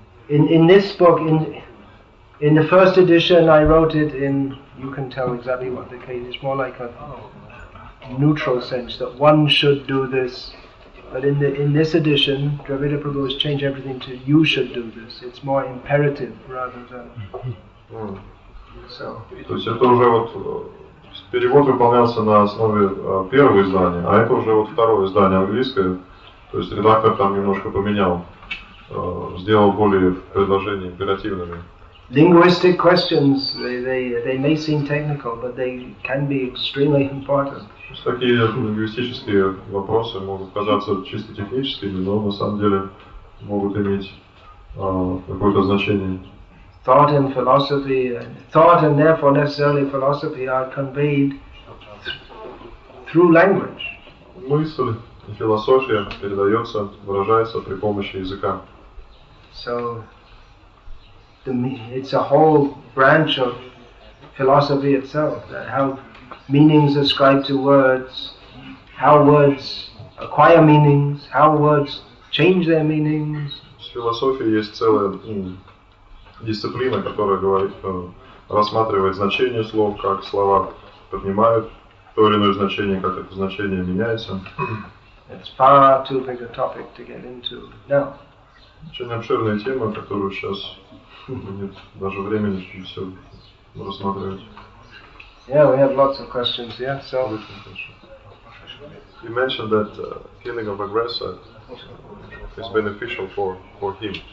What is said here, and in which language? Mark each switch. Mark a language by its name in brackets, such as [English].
[English] In this book, in the first edition, I wrote it in. You can tell exactly what the case is. More like a. Neutral sense that one should do this, but in this edition, Dravida Prabhu has changed everything to you should do this. It's more imperative rather than. [Russian] То есть это уже вот перевод выполнялся на основе первого издания, а это уже вот второе издание английское. То есть редактор там немножко поменял, сделал более предложения императивными. [English] Linguistic questions they may seem technical, but they can be extremely important. [Russian] Такие лингвистические вопросы могут казаться чисто техническими, но на самом деле могут иметь какое-то значение. [English] Thought and philosophy, thought and therefore necessarily philosophy are conveyed through language. [Russian] Мысль и философия передается, выражается при помощи языка. [English] So it's a whole branch of philosophy itself that how meanings ascribed to words, how words acquire meanings, how words change their meanings. [Russian] В философии есть целая дисциплина, которая говорит, рассматривает значение слов, как слова поднимают то или иное значение, как это значение меняется. [English] It's far too big a topic to get into now. [Russian] Очень обширная тема, которую сейчас нет даже времени, чтобы все рассматривать. [English] Yeah, we have lots of questions, yeah, so... You mentioned that killing of aggressor is beneficial for him.